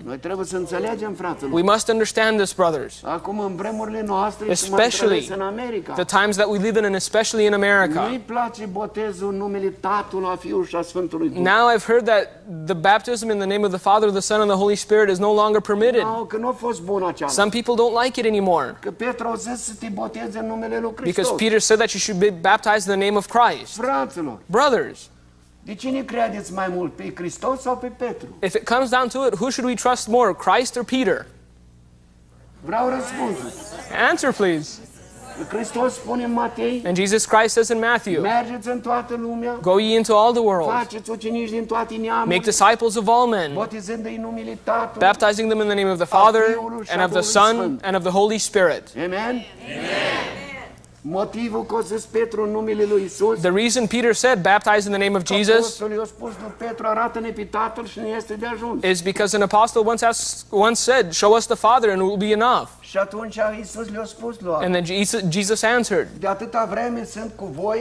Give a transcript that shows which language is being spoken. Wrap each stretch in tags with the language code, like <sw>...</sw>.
<ro>Noi trebuie să înțelegem, fraților.</ro> <en>We must understand this, brothers.</en> <ro>Acum în vremurile noastre,</ro> <en>especially</en> <ro>în America.</ro> <en>The times that we live in, and especially in America.</en> <ro>Nu-i place botezul numele Tatălui, a Fiului și a Sfântului Duh.</ro> <en>Now I've heard that the baptism in the name of the Father, the Son, and the Holy Spirit is no longer permitted.</en> <ro>No, că n-a fost bun aceasta.</ro> <en>Some people don't like it anymore.</en> <ro>Că Petru a zis să te boteze în numele lui Hristos.</ro> <en>Because Peter said that you should be baptized in the name of Christ.</en> <ro>Fraților.</ro> <en>Brothers.</en> <ro>De cine credeți mai mult, pe Hristos sau pe Petru?</ro> <en>If it comes down to it, who should we trust more, Christ or Peter?</en> <ro>Vreau răspuns.</ro> <en>Answer, please.</en> <ro>Hristos spune în Matei.</ro> <en>And Jesus Christ says in Matthew.</en> <ro>Mergeți în toată lumea.</ro> <en>Go ye into all the world.</en> <ro>Faceți ucenici din toate neamurile.</ro> <en>Make disciples of all men.</en> <ro>Botezându-i în numele Tatălui.</ro> <en>Baptizing them in the name of the Father and of the Son and of the Holy Spirit.</en> <ro>Amen.</ro> <en>Amen.</en> <ro>Motivul că a zis Petru în numele lui Isus.</ro> <en>The reason Peter said baptize in the name of Jesus.</en> <ro>Apostolul i-a spus lui Petru arată-ne pe Tatăl și ne este de ajuns.</ro> <en>Is because an apostle once said show us the Father and it will be enough.</en> <ro>Și atunci Isus le-a spus lor.</ro> <en>And then Jesus answered.</en> <ro>De atâta vreme sunt cu voi.</ro>